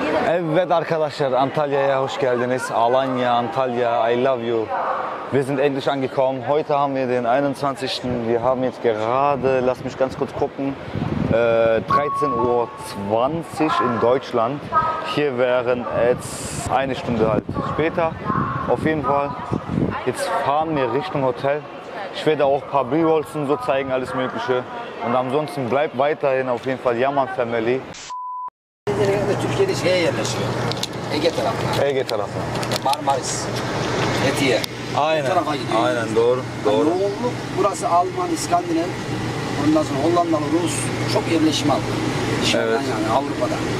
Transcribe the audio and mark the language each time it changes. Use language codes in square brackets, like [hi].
[tr] Evet arkadaşlar, Antalya'ya hoş geldiniz. [en] Alanya, Antalya, I love you. [de] Wir sind endlich angekommen. Heute haben wir den 21. Wir haben jetzt gerade, lass mich ganz kurz gucken, 13.20 Uhr in Deutschland. Hier wären jetzt eine Stunde halt später. Auf jeden Fall, jetzt fahren wir Richtung Hotel. Ich werde auch ein paar B-Rolls und so zeigen, alles Mögliche. Und ansonsten bleibt weiterhin auf jeden Fall Yaman Family. [tr] Türkiye'de şeye yerleşiyor. Ege tarafına. Ege tarafı. Marmaris. Fethiye. Aynen. O tarafa gidiyor. Aynen doğru. Doğru. Yani yoğunluk burası Alman, İskandinav. Ondan sonra Hollandalı, Rus. Çok yerleşim aldı. Evet. Yani Avrupa'da.